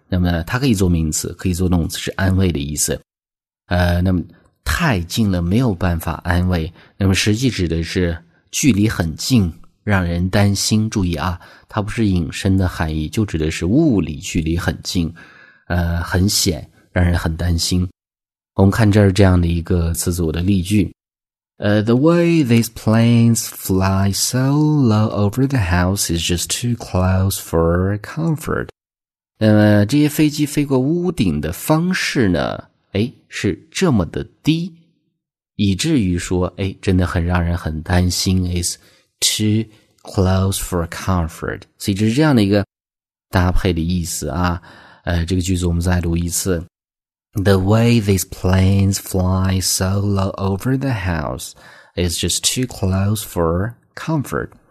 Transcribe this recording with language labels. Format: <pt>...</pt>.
<zh>那么它可以做名词，可以做动词，是安慰的意思。那么太近了没有办法安慰，那么实际指的是距离很近让人担心。注意啊，它不是隐身的含义，就指的是物理距离很近，很险，让人很担心。我们看这儿这样的一个词组的例句。</zh> <en>The way these planes fly so low over the house is just too close for comfort.</en> <zh>这些飞机飞过屋顶的方式呢，是这么的低，以至于说，真的很让人很担心，</zh> <en>is too close for comfort.</en> <zh>所以这是这样的一个搭配的意思啊。这个句子我们再读一次。</zh> <en>The way these planes fly so low over the house is just too close for comfort.</en>